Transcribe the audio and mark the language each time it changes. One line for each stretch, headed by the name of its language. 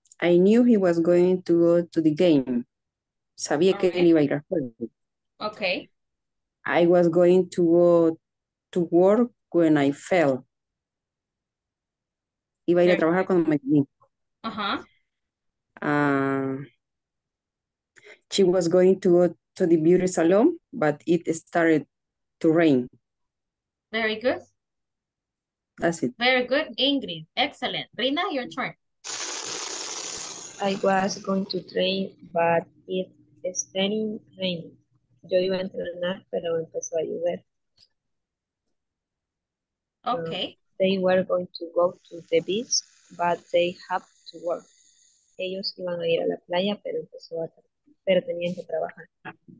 English: I knew he was going to go to the game.
Spanish: Sabía que él iba a ir a jugar.
English: Okay. I was going to go to work when I fell.
Spanish: Iba a ir a trabajar cuando me caí.
English: She was going to go to the beauty salon, but it started to rain. Very good. That's it. Very good, Ingrid. Excellent. Rina, your turn. I was going to train, but it started raining.
Spanish: Yo iba a entrenar, pero empezó a llover.
English: Okay. They were going to go to the beach, but they have to work.
Spanish: Ellos iban a ir a la playa, pero empezó a pero tenían que trabajar.